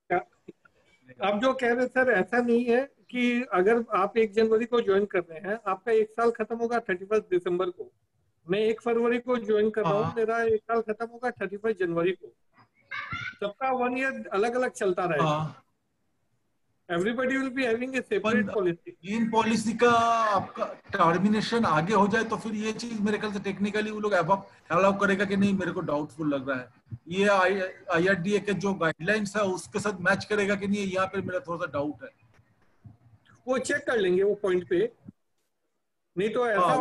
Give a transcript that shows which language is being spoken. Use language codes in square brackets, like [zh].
[hi] आप जो कह रहे सर ऐसा नहीं है कि अगर आप 1 जनवरी को ज्वाइन कर रहे हैं आपका एक साल खत्म होगा 31 दिसंबर को, मैं 1 फरवरी को ज्वाइन कर रहा हूँ मेरा एक साल खत्म होगा 31 जनवरी को, सबका 1 ईयर अलग अलग चलता रहेगा। [en] Everybody will be having a separate policy. [hi] In policy का आपका टर्मिनेशन आगे हो जाए तो फिर ये चीज मेरे ख्याल से टेक्निकली वो लोग अलाउ करेगा कि नहीं, मेरे को डाउटफुल लग रहा है। ये IRDA के जो गाइडलाइंस है उसके साथ मैच करेगा कि नहीं, यहाँ पर मेरा थोड़ा सा डाउट है, वो चेक कर लेंगे वो पॉइंट पे, नहीं तो ऐसा